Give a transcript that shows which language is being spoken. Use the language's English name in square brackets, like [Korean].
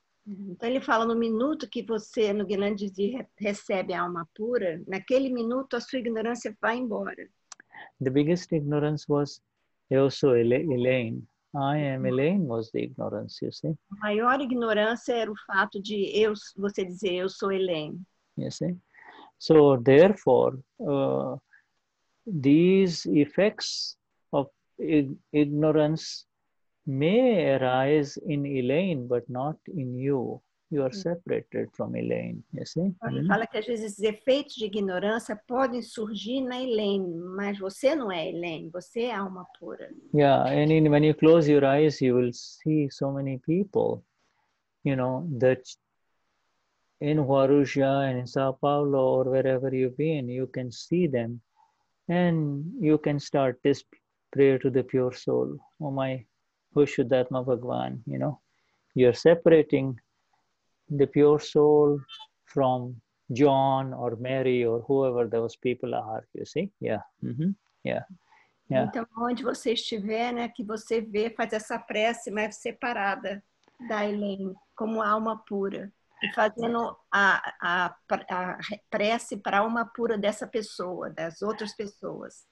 [Portuguese] Então ele fala, no minuto que você no Gnan Vidhi recebe a alma pura, naquele minuto a sua ignorância vai embora. [English] The biggest ignorance was Eoso Elaine. I am Elaine was the ignorance, you see. [Portuguese] A maior ignorância era o fato de eu, você dizer, eu sou Elaine. [English] You see? So, therefore, these effects of ignorance may arise in Elaine, but not in you. You are separated from Elaine, you see. [Portuguese] Ele fala que às vezes os efeitos de ignorância podem surgir na Elaine, mas você não é Elaine, você é alma pura. [English] Yeah, and when you close your eyes, you will see so many people, you know, that in Guarujá and in São Paulo or wherever you've been, you can see them and you can start this prayer to the pure soul. Oh my, Hushudatma Bhagwan, you know, you're separating the pure soul from John or Mary or whoever those people are, you see? Yeah. Mm-hmm. Yeah. Yeah. [Portuguese] Então, onde você estiver, né, que você vê, faz essa prece mais separada da Elaine, como alma pura, e fazendo a prece para alma pura dessa pessoa, das outras pessoas.